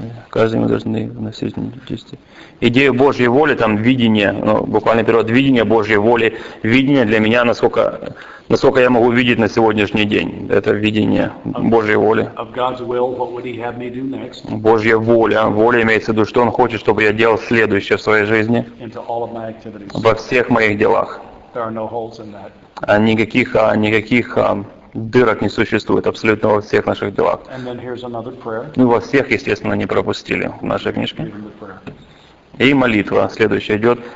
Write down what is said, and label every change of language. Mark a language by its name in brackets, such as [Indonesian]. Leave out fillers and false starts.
[Russian] Каждый день должны вносить действия. Идею Божьей воли, там видение, ну, буквально перевод, видение Божьей воли, видение для меня, насколько я могу видеть на сегодняшний день. Это видение Божьей воли. [English] Of God's will, what would he have me do next? [Russian] Божья воля. Воля имеется в виду, что он хочет, чтобы я делал следующее в своей жизни. [English] Into all of my activities. [Russian] Во всех моих делах. [English] There are no holes in that. [Russian] Никаких дырок не существует абсолютно во всех наших делах. [English] And then here's another prayer. [Russian] Мы во всех, естественно, не пропустили в нашей книжке. И молитва следующая идет.